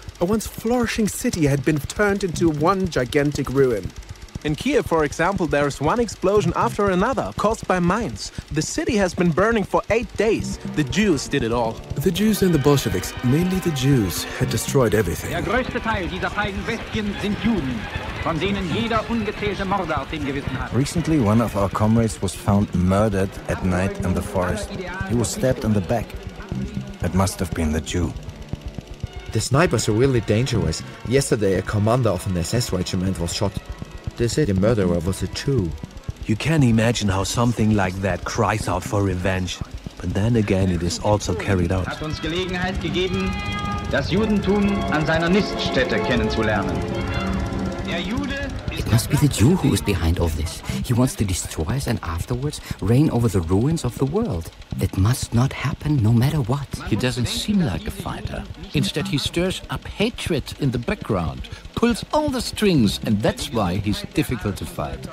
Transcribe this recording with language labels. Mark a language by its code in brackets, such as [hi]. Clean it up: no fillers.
[en] A once flourishing city had been turned into one gigantic ruin. In Kiev, for example, there is one explosion after another, caused by mines. The city has been burning for 8 days. The Jews did it all. The Jews and the Bolsheviks, mainly the Jews, had destroyed everything. [de] Der größte Teil dieser feigen Bestien sind Juden, von denen jeder ungezählte Morde auf dem Gewissen hat. [en] Recently, one of our comrades was found murdered at night in the forest. He was stabbed in the back. It must have been the Jew. The snipers are really dangerous. Yesterday, a commander of an SS regiment was shot. They say the murderer was a Jew. You can imagine how something like that cries out for revenge. But then again, it is also carried out. [de] Hat uns Gelegenheit gegeben, das Judentum an seiner Niststätte kennenzulernen. [en] It must be the Jew who is behind all this. He wants to destroy us and afterwards reign over the ruins of the world. That must not happen, no matter what. He doesn't seem like a fighter. Instead, he stirs up hatred in the background, pulls all the strings, and that's why he's difficult to fight.